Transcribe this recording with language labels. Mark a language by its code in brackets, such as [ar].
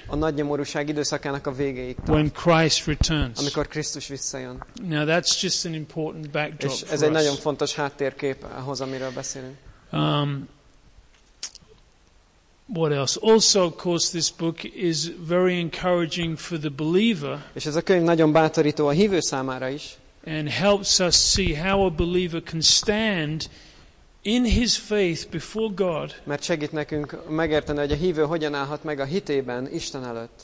[hu] A nagy nyomorúság időszakának a végéig. [en] When Christ returns. [hu] Amikor Krisztus visszajön. [en] Now that's just an important backdrop. [hu] És ez egy nagyon fontos háttérkép ahhoz, amiről beszélünk. [en] What else? Also, of course, this book is very encouraging for the believer. [hu] És ez a könyv nagyon bátorító a hívő számára is. [en] And helps us see how a believer can stand in his faith before God. [hu] Mert segít nekünk megérteni, hogy a hívő hogyan állhat meg a hitében Isten előtt.